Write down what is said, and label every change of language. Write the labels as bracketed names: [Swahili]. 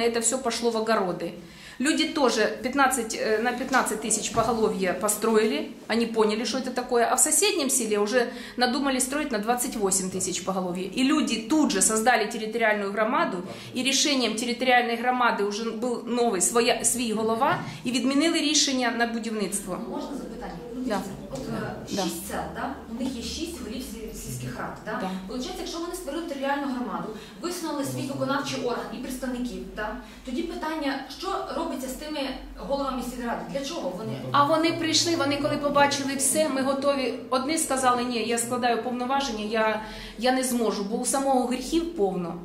[Russian] Это все пошло в огороды. Люди тоже на 15 тысяч поголовья построили. Они поняли, что это такое. А в соседнем селе уже надумали строить на 28 тысяч поголовья. И люди тут же создали территориальную громаду. И решением территориальной громады уже был новый, свой голова. [Ukrainian] И відмінили решение на будівництво. [Russian] Можно запитание? Да. Вот 6 сел, да? У них есть 6 в лифте. [Ukrainian] сільських рад. Да? Так. Получається, якщо вони створили територіальну громаду, висунули свій виконавчий орган і представників, да? Тоді питання, що робиться з тими головами сільських рад? Для чого вони? А вони прийшли, вони коли побачили все, ми готові. Одні сказали, ні, я складаю повноваження, я не зможу, бо у самого гріхів повно.